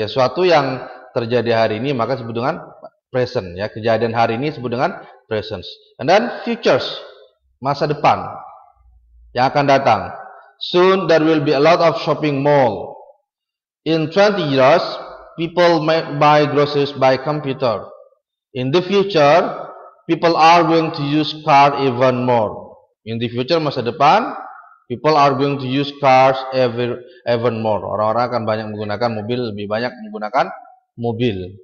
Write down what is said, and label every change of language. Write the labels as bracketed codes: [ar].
[id] Ya, suatu yang terjadi hari ini maka disebut dengan present. Ya, kejadian hari ini disebut dengan present. And then futures, masa depan yang akan datang. [en] Soon there will be a lot of shopping mall. In 20 years, people may buy groceries by computer. In the future, people are going to use car even more. In the future, [id] masa depan, [en] people are going to use cars even more. [id] Orang-orang akan banyak menggunakan mobil, lebih banyak menggunakan mobil.